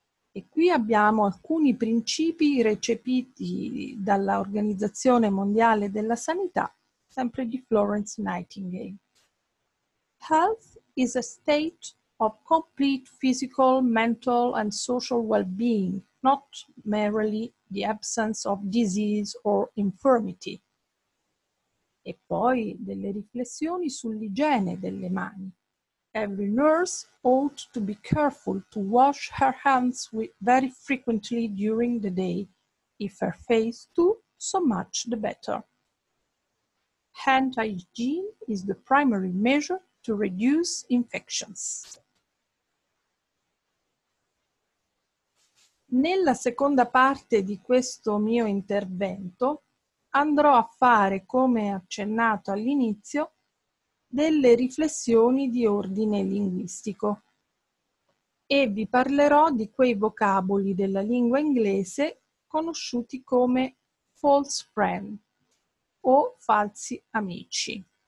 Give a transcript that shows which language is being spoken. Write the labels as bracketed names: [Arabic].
[Italian] E qui abbiamo alcuni principi recepiti dall'Organizzazione Mondiale della Sanità, sempre di Florence Nightingale. [English] Health is a state of complete physical, mental and social well-being, not merely the absence of disease or infirmity. [Italian] E poi delle riflessioni sull'igiene delle mani. [English] Every nurse ought to be careful to wash her hands very frequently during the day. If her face too, so much the better. Hand hygiene is the primary measure to reduce infections. [Italian] Nella seconda parte di questo mio intervento andrò a fare, come accennato all'inizio, delle riflessioni di ordine linguistico e vi parlerò di quei vocaboli della lingua inglese conosciuti come false friend o falsi amici.